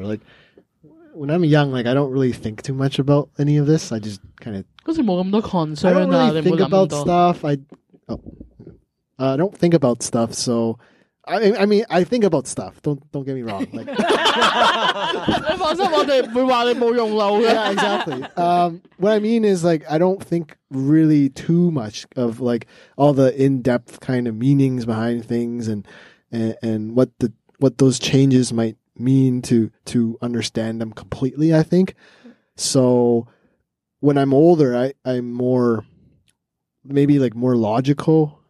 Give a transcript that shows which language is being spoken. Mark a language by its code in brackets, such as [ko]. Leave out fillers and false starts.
[en] Like when I'm young, like I don't really think too much about any of this. I just kind of [yue] 好似冇咁多 concern 啊，你冇咁多。 [en] I don't really think about stuff. I don't think about stuff, so I mean, I think about stuff. Don't get me wrong. Like, [yue] 你放心，我哋唔会话你冇用脑嘅。 [en] Yeah, exactly. What I mean is, like, I don't think really too much of like all the in-depth kind of meanings behind things and what those changes might mean to understand them completely. I think so. When I'm older, I'm more maybe like more logical.